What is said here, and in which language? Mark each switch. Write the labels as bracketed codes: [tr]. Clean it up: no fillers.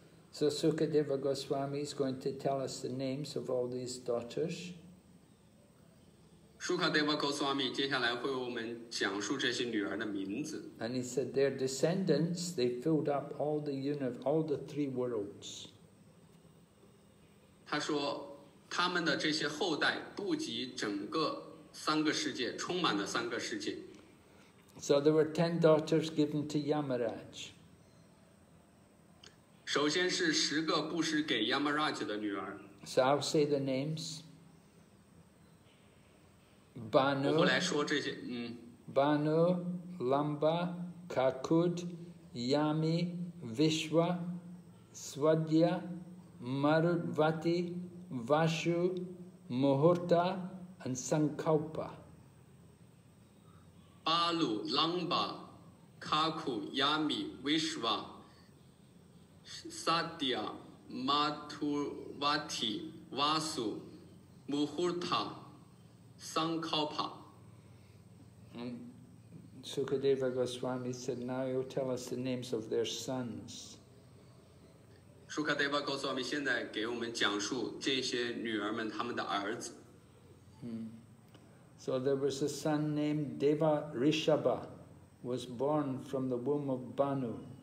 [en] So Sukadeva Goswami is going to tell us the names of all these daughters. [zh] Shukadeva Goswami 接下来会为我们讲述这些女儿的名字。 [en] And he said their descendants, they filled up all the universe, all the three worlds. [zh] 他说他们的这些后代不及整个三个世界，充满了三个世界。 [en] So there were 10 daughters given to Yamaraj. [zh] 首先是十个布施给 Yamaraj 的女儿。 [en] So I'll say the names. Banu, [zh] 我来说这些， [en] Banu, Lamba, Kakud, Yami, Vishwa, Swadhyaya, Marudvati, Vashu, Muhurta, and Sankalpa. [zh] 巴鲁、朗巴、卡库、亚米、维什瓦、萨迪亚、马图瓦提、瓦苏、穆胡塔、桑考帕。 [en] Sukadeva Goswami said, "Now you'll tell us the names of their sons." [zh] Sukadeva Goswami 现在给我们讲述这些女儿们他们的儿子。 [en] So there was a son named Deva Rishabha, was born from the womb of Banu.